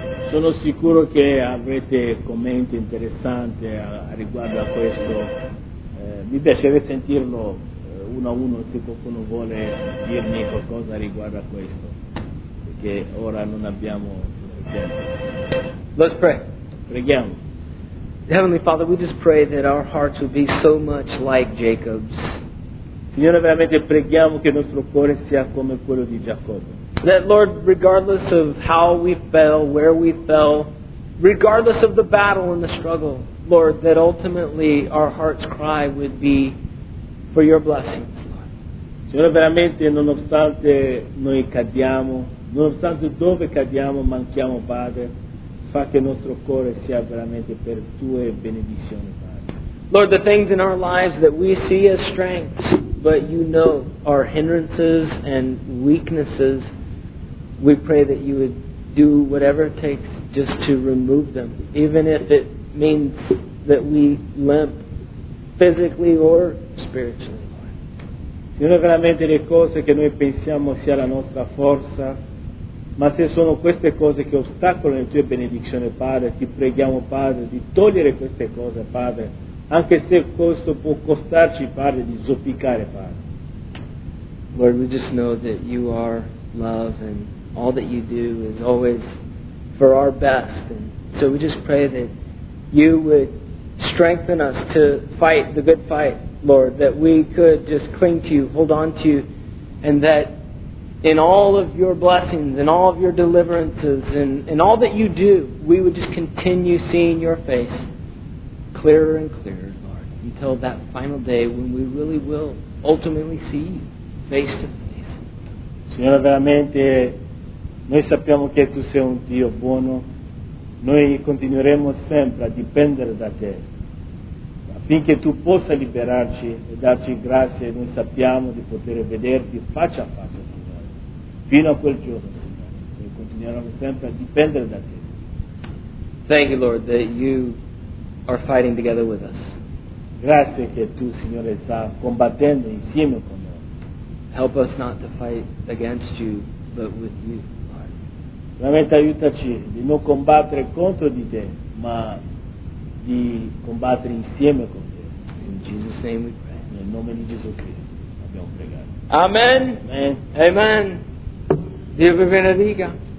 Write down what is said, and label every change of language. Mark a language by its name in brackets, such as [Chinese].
[Italian] Sono sicuro che avrete commenti interessanti a riguardo a questo. Mi piacerebbe sentirlo uno a uno, se qualcuno vuole dirmi qualcosa riguardo a questo, perché ora non abbiamo tempo. [English] Let's pray. [Italian] Preghiamo. [English] Heavenly Father, we just pray that our hearts would be so much like Jacob's. [Italian] Signore, veramente preghiamo che il nostro cuore sia come quello di Giacobbe. [English] That Lord, regardless of how we fell, where we fell, regardless of the battle and the struggle, Lord, that ultimately our heart's cry would be for your blessings, Lord. [Italian] Signore, veramente, nonostante noi cadiamo, nonostante dove cadiamo, manchiamo, Padre, fa che il nostro cuore sia veramente per tue benedizioni, Padre. [English] Lord, the things in our lives that we see as strengths, but you know are hindrances and weaknesses, we pray that you would do whatever it takes just to remove them, even if it means that we limp physically or spiritually, Lord. [Italian] Signore, veramente le cose che noi pensiamo sia la nostra forza, ma se sono queste cose che ostacolano le tue benedizioni, Padre, ti preghiamo, Padre, di togliere queste cose, Padre, anche se questo può costarci, Padre, di zoppicare, Padre. [English] Lord, we just know that you are love and all that you do is always for our best. And so we just pray that you would strengthen us to fight the good fight, Lord, that we could just cling to you, hold on to you, and that in all of your blessings, in all of your deliverances, and in all that you do, we would just continue seeing your face clearer and clearer, Lord, until that final day when we really will ultimately see you face to face. [Italian] Signore, veramente, noi sappiamo che tu sei un Dio buono. Noi continueremo sempre a dipendere da te. affinché tu possa liberarci e darci grazia e noi sappiamo di poter vederti faccia a faccia, Signore, fino a quel giorno, Signore, e continueremo sempre a dipendere da te. [English] Thank you, Lord, that you are fighting together with us. [Italian] Grazie che tu, Signore, sta combattendo insieme con noi. [English] Help us not to fight against you, but with you, Lord. [Italian] Veramente aiutaci di non combattere contro di te, ma di combattere insieme con te. [English] In Jesus' name we pray. [Italian] Nel nome di Gesù Cristo abbiamo pregato. [English] Amen. Amen. [Italian] Amen. Dio vi benedica.